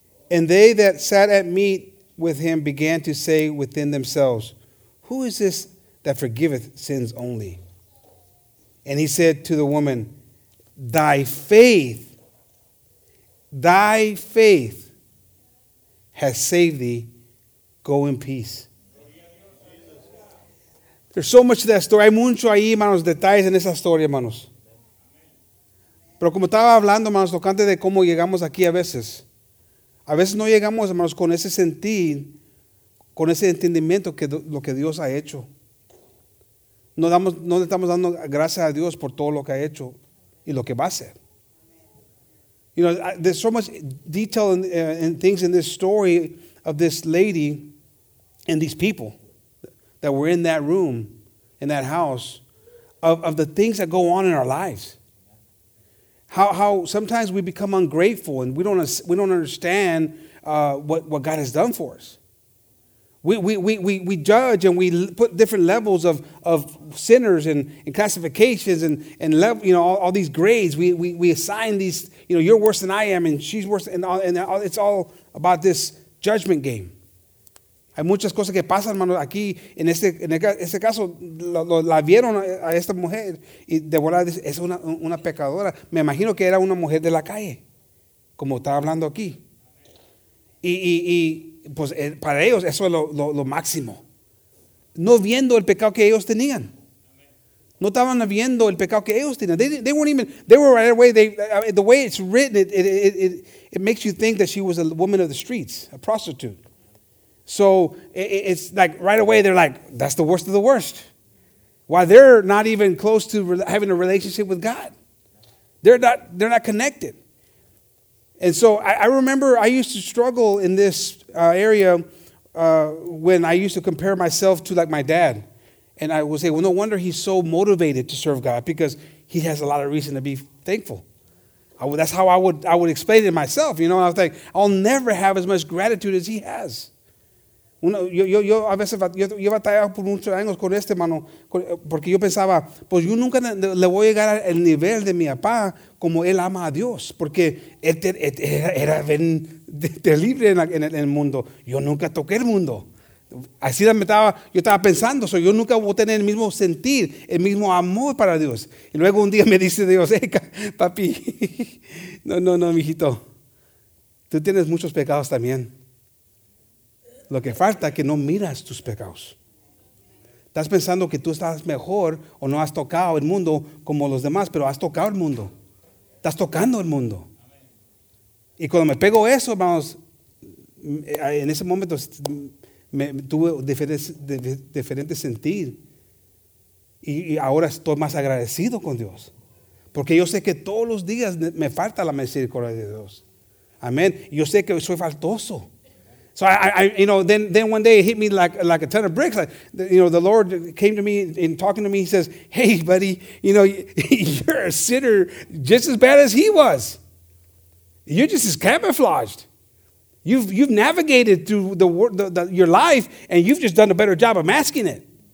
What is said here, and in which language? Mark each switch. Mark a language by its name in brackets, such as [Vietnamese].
[English] And they that sat at meat with him began to say within themselves, who is this that forgiveth sins only? And he said to the woman, thy faith has saved thee. Go in peace. There's so much to that story. [Spanish] Hay mucho ahí, hermanos, detalles en esa historia, hermanos. Pero como estaba hablando, hermanos, tocante de cómo llegamos aquí a veces. A veces no llegamos, hermanos, con ese sentir, con ese entendimiento que lo que Dios ha hecho. No le estamos dando gracias a Dios por todo lo que ha hecho y lo que va a hacer. [English] You know, there's so much detail and things in this story of this lady and these people that were in that room, in that house, of the things that go on in our lives. How sometimes we become ungrateful and we don't understand what God has done for us. We judge and we put different levels of sinners and classifications and level, you know, all these grades. We assign these, you know, you're worse than I am and she's worse and it's all about this judgment game. Hay muchas cosas que pasan, hermanos, aquí en este caso la vieron a esta mujer y de verdad es una pecadora. Me imagino que era una mujer de la calle, como estaba hablando aquí. Y pues para ellos eso es lo máximo. No viendo el pecado que ellos tenían. No estaban viendo el pecado que ellos tenían. They weren't even, they were right away, the way it's written, it makes you think that she was a woman of the streets, a prostitute. So it's like right away they're like, that's the worst of the worst. While they're not even close to having a relationship with God. They're not connected. And so I remember I used to struggle in this area when I used to compare myself to like my dad. And I would say, well, no wonder he's so motivated to serve God because he has a lot of reason to be thankful. That's how I would explain it myself. You know, I was like, I'll never have as much gratitude as he has. [Spanish] Yo a veces yo batallaba por muchos años con este hermano porque yo pensaba, pues yo nunca le voy a llegar al nivel de mi papá como él ama a Dios, porque él era bien terrible en el mundo. Yo nunca toqué el mundo. Así yo estaba pensando, so yo nunca voy a tener el mismo sentir, el mismo amor para Dios. Y luego un día me dice Dios, hey, papi, no, mijito, tú tienes muchos pecados también. Lo que falta es que no miras tus pecados. Estás pensando que tú estás mejor o no has tocado el mundo como los demás, pero has tocado el mundo. Estás tocando el mundo. Y cuando me pego eso, vamos, en ese momento me tuve diferente sentir. Y ahora estoy más agradecido con Dios. Porque yo sé que todos los días me falta la misericordia de Dios. Amén. Yo sé que soy faltoso. [English] So I, you know, then one day it hit me like a ton of bricks. Like, you know, the Lord came to me and talking to me, he says, hey, buddy, you know, you're a sinner just as bad as he was. You're just as camouflaged. You've navigated through your life and you've just done a better job of masking it.